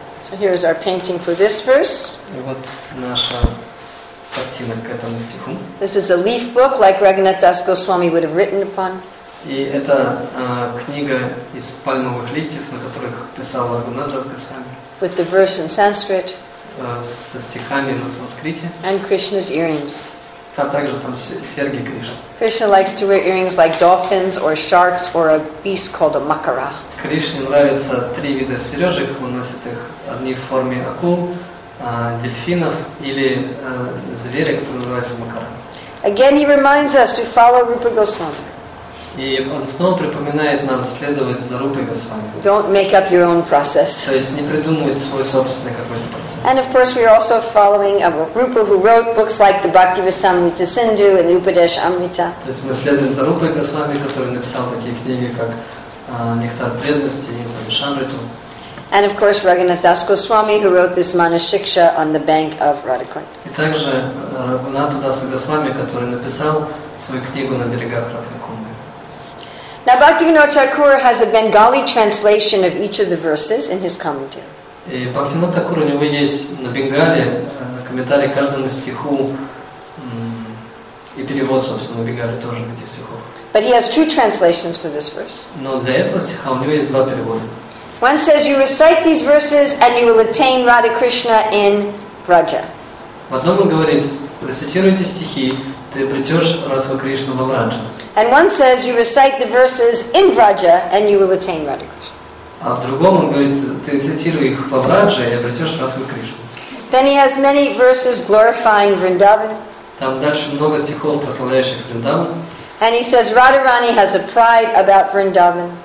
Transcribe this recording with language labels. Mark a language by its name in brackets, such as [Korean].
[English] So here is our painting for this verse. [Russian] И вот наша картина к этому стиху. [English] This is a leaf book like Raghunath Das Goswami would have written upon. [Russian] И это книга из пальмовых листьев, на которых писал Раганат Дас Госвами. [English] With the verse in Sanskrit. [Russian] Со стихами на санскрите. [English] And Krishna's earrings. [Russian] А также там серьги Кришны. [English] Krishna likes to wear earrings like dolphins or sharks or a beast called a makara. [Russian] Кришне нравятся три вида сережек. Он носит их одни в форме акул, дельфинов или зверя, который называется макара. [English] Again, he reminds us to follow Rupa Goswami. [Russian] И он снова припоминает нам следовать за Рупой Госвами. [English] Don't make up your own process. [Russian] То есть не придумывать свой собственный какой-то процесс. [English] And of course we are also following a Rupa who wrote books like the Bhaktivasamrita Sindhu and the Upadesha Amrita. [Russian] То есть мы следуем за Рупой Госвами, который написал такие книги, как «Нектар преданности» и «Упадеша Амриту». [English] And of course, Raghunath Das Goswami, who wrote this Manushiksha on the bank of Radhakund. [Russian] И также Рагхунат Дас Госвами, который написал свою книгу на берегах Радхакунды. [English] Now, Bhaktivinoda Thakur has a Bengali translation of each of the verses in his commentary. [Russian] И Бхактивинода Такур, у него есть на Бенгале комментарий к каждому стиху и перевод, собственно, на Бенгале тоже этих стихов. [English] But he has two translations for this verse. [Russian] Но для этого стиха у него есть два перевода. [English] One says, you recite these verses and you will attain Radha Krishna in Vraja. [Russian] В одном он говорит, процитируйте стихи, ты обретешь Радху Кришну во Враджа. [English] And one says, you recite the verses in Vraja and you will attain Radha Krishna. [Russian] А в другом он говорит, ты цитируй их во Враджа и обретешь Радху Кришну. [English] Then he has many verses glorifying Vrindavan. [Russian] Там дальше много стихов, прославляющих Вриндаван. [English] And he says, Radharani has a pride about Vrindavan.